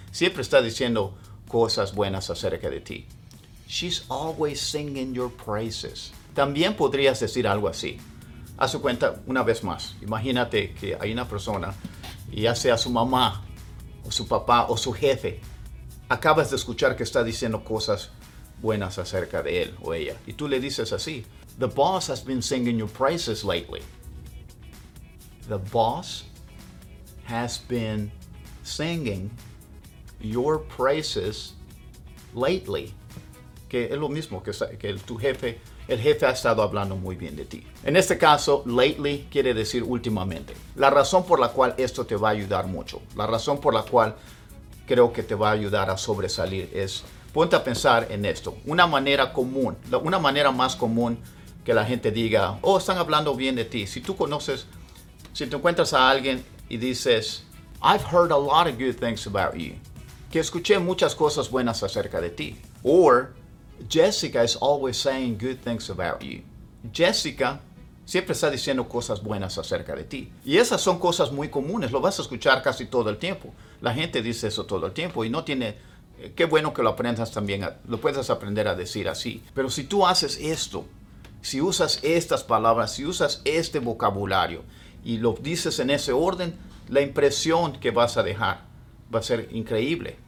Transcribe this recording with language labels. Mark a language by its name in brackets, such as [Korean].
[Spanish] Siempre está diciendo cosas buenas acerca de ti. [English] She's always singing your praises. [Spanish] También podrías decir algo así. Haz su cuenta una vez más. Imagínate que hay una persona, ya sea su mamá, o su papá, o su jefe. Acabas de escuchar que está diciendo cosas buenas acerca de él o ella. Y tú le dices así. [English] The boss has been singing your praises lately. The boss has been singing your praises lately. [Spanish] Que es lo mismo que tu jefe. El jefe ha estado hablando muy bien de ti. En este caso, lately quiere decir últimamente. La razón por la cual esto te va a ayudar mucho. La razón por la cual creo que te va a ayudar a sobresalir es, ponte a pensar en esto. Una manera común, una manera más común que la gente diga, oh, están hablando bien de ti. Si tú conoces, si te encuentras a alguien y dices, [English] I've heard a lot of good things about you. [Spanish] Que escuché muchas cosas buenas acerca de ti. [English] Or, Jessica is always saying good things about you. [Spanish] Jessica siempre está diciendo cosas buenas acerca de ti. Y esas son cosas muy comunes. Lo vas a escuchar casi todo el tiempo. La gente dice eso todo el tiempo y no tiene... Qué bueno que lo aprendas también. Lo puedes aprender a decir así. Pero si tú haces esto, si usas estas palabras, si usas este vocabulario y lo dices en ese orden, la impresión que vas a dejar va a ser increíble.